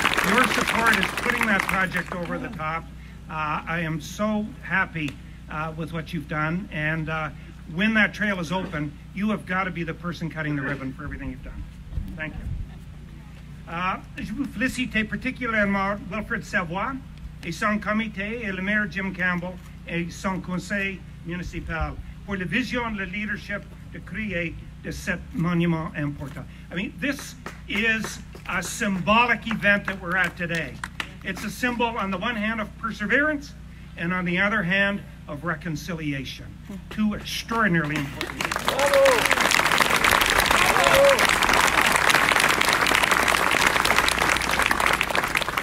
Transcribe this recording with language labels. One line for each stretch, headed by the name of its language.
English: Your support is putting that project over the top. I am so happy with what you've done, and when that trail is open, you have got to be the person cutting the ribbon for everything you've done. Thank you.
French: Je vous félicite particulièrement Wilfred Savoie et son comité et le maire Jim Campbell et son conseil municipal pour la vision, le leadership de créer de cet monument important.
English: I mean, this is a symbolic event that we're at today. It's a symbol on the one hand of perseverance, and on the other hand, of reconciliation. Two extraordinarily important things. Bravo.